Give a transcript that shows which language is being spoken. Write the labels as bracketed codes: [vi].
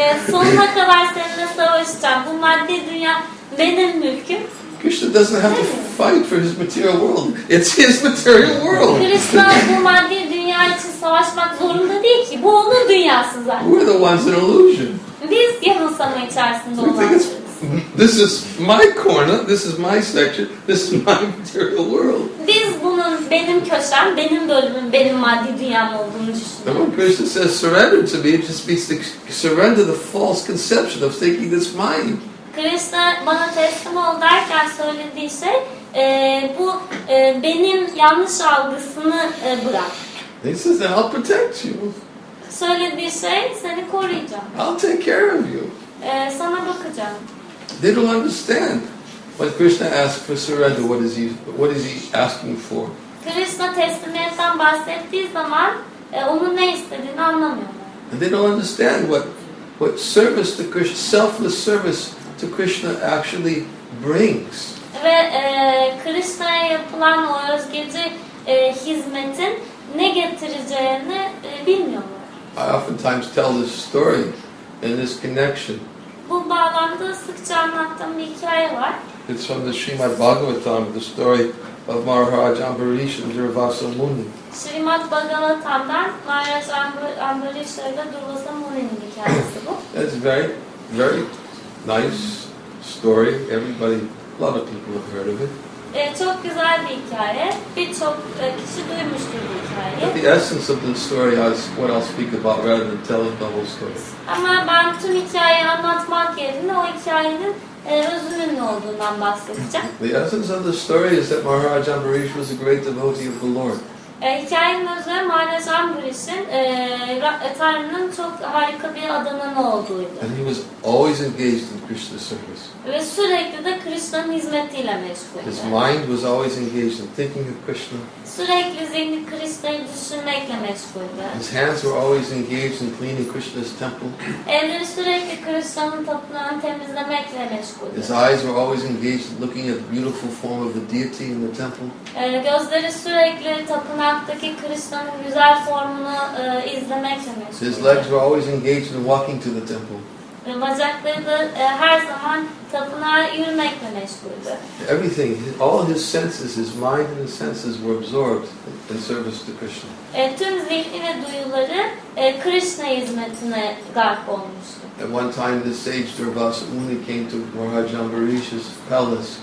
[tr] Sonuna kadar seninle savaşacağım. Bu maddi dünya benim mülküm. [en] Krishna doesn't have to fight for his material world. It's his material world. [tr] Krishna bu maddi dünya için savaşmak zorunda değil ki. Bu onun dünyası zaten. [en] We're the ones in illusion. [tr] Biz yanılsama içerisinde olanlarız. [en] This is my corner. This is my section. This is my material world. [tr] Biz bunun benim köşem, benim bölümüm, benim maddi dünyam olduğunu düşünüyoruz. [en] When Krishna says surrender to me, it just means to surrender the false conception of thinking this mine. [tr] Krishna bana teslim ol derken söylediği şey bu benim yanlış algısını bırak. [en] He says that I'll protect you. [tr] Söylediği şey seni koruyacağım. [en] I'll take care of you. [tr] Sana bakacağım. [en] They don't understand when Krishna asks for surrender. What is he asking for? [tr] Krishna teslimiyetten bahsettiği zaman onun ne istediğini anlamıyorlar. [en] And they don't understand what service to Krishna, selfless service to Krishna actually brings. [tr] Ve Krishna'ya yapılan o özgeci hizmetin ne getireceğini bilmiyorlar. [en] I oftentimes tell this story in this connection. [tr] Bu bağlamda sıkça anlattığım bir hikaye var. [en] It's from the Srimad Bhagavatam, the story of Maharaj Ambarish and Durvasa Muni. [tr] Srimad Bhagavatam'dan Maharaj Ambarish ve Durvasa Muni'nin hikayesi bu. [en] That's very, very nice story. Everybody, a lot of people have heard of it. [tr] Çok güzel bir hikaye. Birçok kişi duymuştur bu hikayeyi. [en] But the essence of the story is what I'll speak about rather than telling the whole story. [tr] Ama ben tüm hikayeyi anlatmak yerine o hikayenin özünün ne olduğundan bahsedeceğim. [en] The essence of the story is that Maharaj Ambarish was a great devotee of the Lord. [tr] Hikayenin özü Maharaj Ambarish'in Tanrı'nın çok harika bir adamı olduğuydu. [en] And he was always engaged in Krishna's service. [tr] Ve sürekli de Krishna'nın hizmetiyle meşguldü. [en] His mind was always engaged in thinking of Krishna. [tr] Sürekli zihni Krishna'yı düşünmekle meşguldü. [en] His hands were always engaged in cleaning Krishna's temple. [tr] Elleri sürekli Krishna'nın tapınağını temizlemekle meşguldü. [en] His eyes were always engaged in looking at the beautiful form of the deity in the temple. [tr] Gözleri sürekli tapınaktaki Krishna'nın güzel formunu izlemek demek. [en] His legs were always engaged in walking to the temple. [tr] Bacakları da her zaman tapınağa yürümekle meşguldü. [en] Everything, all his senses, his mind and his senses were absorbed in service to Krishna. [tr] Tüm zihni ve duyuları Krishna hizmetine gark olmuştu. [en] At one time the sage Durvasa Muni came to Maharaj Ambarish's palace.